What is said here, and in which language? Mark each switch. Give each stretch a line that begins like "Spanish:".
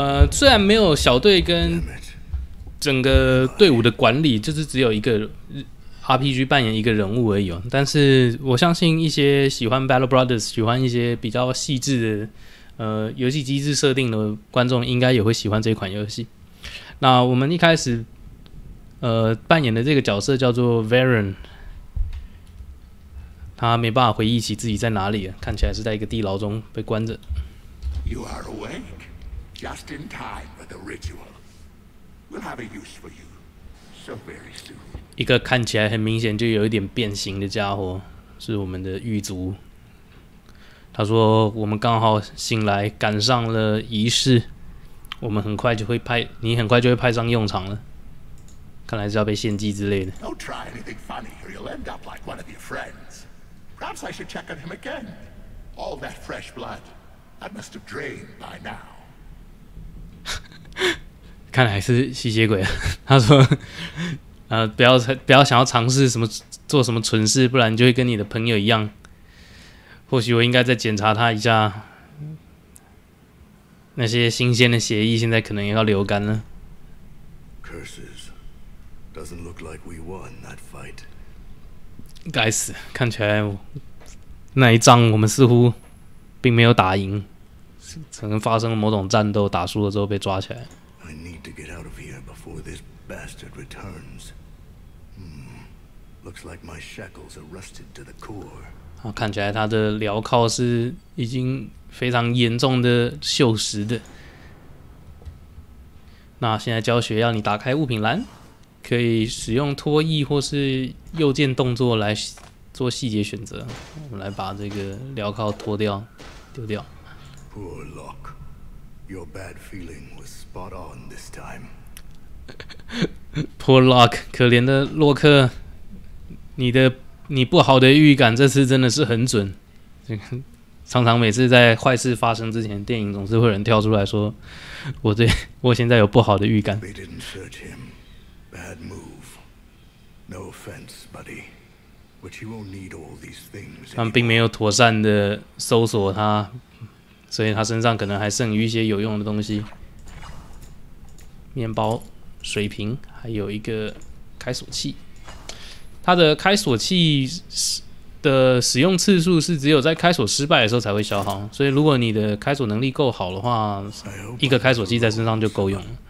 Chinese: 虽然没有小队跟整个队伍的管理，就是只有一个 RPG 扮演一个人物而已，但是我相信一些喜欢 Battle Brothers、 喜欢一些比较细致的游戏机制设定的观众应该也会喜欢这款游戏。那我们一开始扮演的这个角色叫做 Varen，他没办法回忆起自己在哪里了，看起来是在一个地牢中被关着。
English: You are awake, just in time for the ritual. We'll have a use for you so very soon.
Chinese: 一个看起来很明显就有一点变形的家伙，是我们的狱卒。他说：“我们刚好醒来，赶上了仪式，我们很快就会派你，很快就会派上用场了。看来是要被献祭之类的。
English: Don't try anything funny, or you'll end up like one of your friends.” Perhaps I should check on him again. All that fresh blood, that must have drained by now.
Chinese: 看来是吸血鬼了。他说：“不要想要尝试什么做什么蠢事，不然就会跟你的朋友一样。或许我应该再检查他一下。那些新鲜的血液现在可能也要流干了。”
English: Curses, doesn't look like we won that fight.
Chinese: 该死，看起来那一仗我们似乎并没有打赢，可能发生了某种战斗，打输了之后被抓起来。
English: I need to get out of here before this bastard returns. Looks like my shackles are rusted to the core.
Chinese: 好，看起来他的镣铐是已经非常严重的锈蚀的。那现在教学要你打开物品栏。可以使用脱衣或是右键动作来做细节选择。我们来把这个镣铐脱掉，丢掉。
English: Poor luck, your bad feeling was spot on this time. Poor luck,
Chinese: 可怜的洛克，你不好的预感这次真的是很准。常常每次在坏事发生之前，电影总是会有人跳出来说：“我现在有不好的预感。”
English: They didn't search him. Bad move. No offense, buddy. But you won't need all these things.
Chinese: 他们并没有妥善的搜索他，所以他身上可能还剩余一些有用的东西：面包、水瓶，还有一个开锁器。他的开锁器的使用次数是只有在开锁失败的时候才会消耗，所以如果你的开锁能力够好的话，一个开锁器在身上就够用了。